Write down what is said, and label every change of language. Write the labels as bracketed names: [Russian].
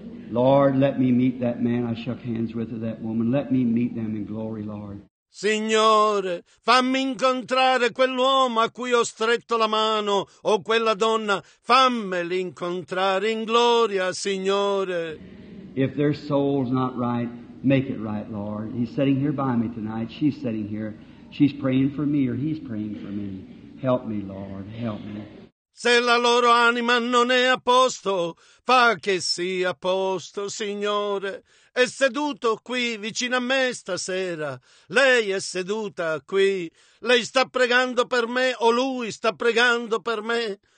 [English] Lord, let me meet that man I shook hands with, or that woman. Let me meet them in glory, Lord. [Italian] Signore, fammi incontrare quell'uomo a cui ho stretto la mano, o quella donna, fammeli incontrare in gloria, Signore. [English] If their soul's not right, make it right, Lord. He's sitting here by me tonight, she's sitting here, she's praying for me or he's praying for me. Help me, Lord, help me. [Italian] Se la loro anima non è a posto, fa che sia a posto, Signore. È seduto qui vicino a me stasera. Lei è seduta qui. Lei sta pregando per me o lui sta pregando per me.